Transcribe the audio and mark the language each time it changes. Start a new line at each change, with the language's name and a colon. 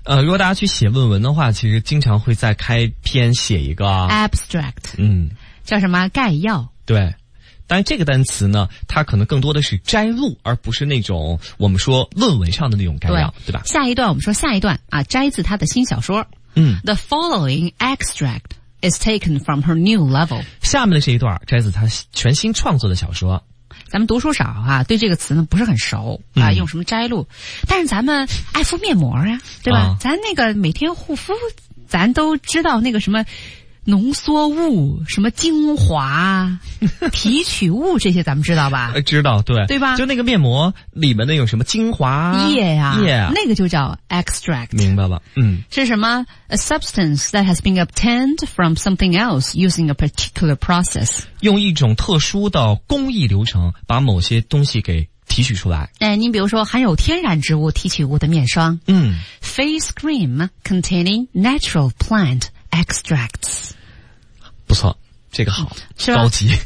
Chinese: 如果大家去写论文的话，其实经常会在开篇写一个
English: abstract，嗯，
Chinese: 叫什么概要？对，但这个单词呢，它可能更多的是摘录，而不是那种我们说论文上的那种概要， 对吧？下一段我们说下一段啊，摘自他的新小说。嗯
English: ，The following extract is taken from her new novel。
Chinese: 下面的这一段摘自他全新创作的小说。咱们读书少啊对这个词呢不是很熟啊用什么摘录、嗯、但是咱们爱敷面膜啊对吧、啊、咱那个每天护肤咱都知道那个什么浓缩物什么精华提取物这些咱们知道吧知道对对吧就那个面膜里面的有什么精华液啊 yeah, 那个就叫 extract 明白了嗯是什么
English: a substance that has been obtained from something else using a particular process
Chinese: 用一种特殊的工艺流程把某些东西给提取出来。哎，您比如说含有天然植物提取物的面霜。嗯。
English: Face cream containing natural plant extracts。
Chinese: 不错这个好。是高级。